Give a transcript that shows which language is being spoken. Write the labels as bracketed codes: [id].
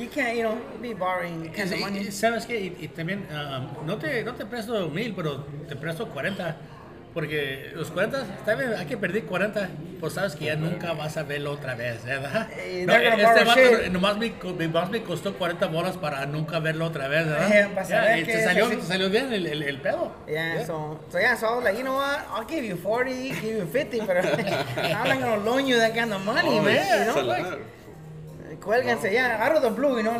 [en] You can't, you know, be borrowing kind of money. [es] ¿Sabes qué? Y también, no te presto 1,000, pero te presto 40. Porque los 40, está bien, hay que perder 40. Pues sabes que ya nunca vas a verlo otra vez, ¿verdad? No, este vato nomás me costó 40 bolas para nunca verlo otra vez, ¿verdad? Yeah, y te salió bien el pedo. [en] So I was like, you know what? I'll give you 40, give you 50, [es] pero [en] I'm not gonna loan you that kind of money, man. Yeah, you know? [es] Cuélguense, ya, [en] out of the blue, you know?